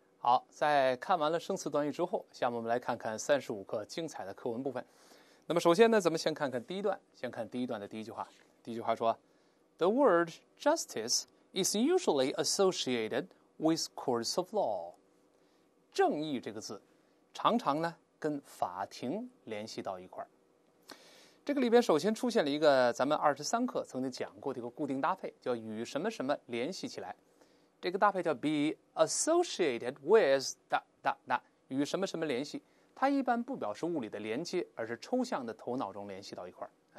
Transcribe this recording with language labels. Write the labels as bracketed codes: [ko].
[zh] 好，在看完了生词短语之后，下面我们来看看35课精彩的课文部分。那么，首先呢，咱们先看看第一段，先看第一段的第一句话。 [en] 第一句话说 ：“The word justice is usually associated with courts of law。” [zh] 正义这个字，常常呢跟法庭联系到一块儿。这个里边首先出现了一个咱们23课曾经讲过的一个固定搭配，叫与什么什么联系起来。这个搭配叫 be associated with 与什么什么联系，它一般不表示物理的连接，而是抽象的头脑中联系到一块儿。